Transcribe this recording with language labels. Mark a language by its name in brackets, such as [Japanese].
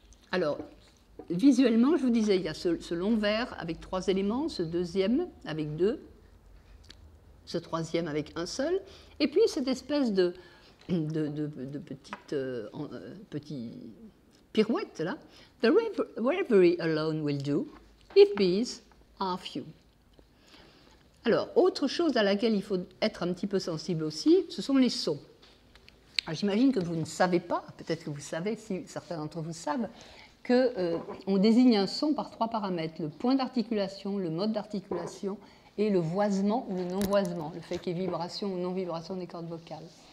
[French] Alors, visuellement, je vous disais, il y a ce long vers avec trois éléments, ce deuxième avec deux, ce troisième avec un seul, et puis cette espèce de petite petit pirouette là. [English] The reverie alone will do if bees are few. [French] Alors, autre chose à laquelle il faut être un petit peu sensible aussi, ce sont les sons. Alors, j'imagine que vous ne savez pas, peut-être que vous savez, si certains d'entre vous savent, qu'on désigne un son par trois paramètres, le point d'articulation, le mode d'articulation et le voisement ou le non-voisement, le fait qu'il y ait vibration ou non-vibration des cordes vocales.